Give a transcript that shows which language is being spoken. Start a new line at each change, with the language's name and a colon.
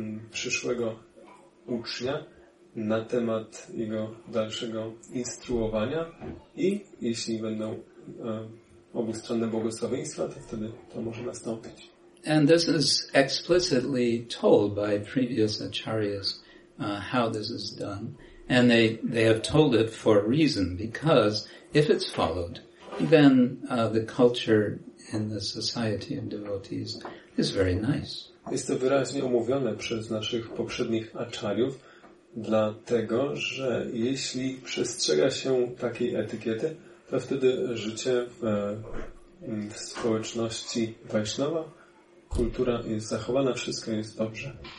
Polish: przyszłego ucznia, na temat jego dalszego instruowania i jeśli będą obustronne błogosławieństwa, to wtedy to może nastąpić.
English: And this is explicitly told by previous acharyas how this is done. And they have told it for a reason, because if it's followed, then the culture in the society of devotees is very nice.
Polish: Jest to wyraźnie omówione przez naszych poprzednich acharyów, dlatego, że jeśli przestrzega się takiej etykiety, to wtedy życie w społeczności Vaishnava, kultura jest zachowana, wszystko jest dobrze.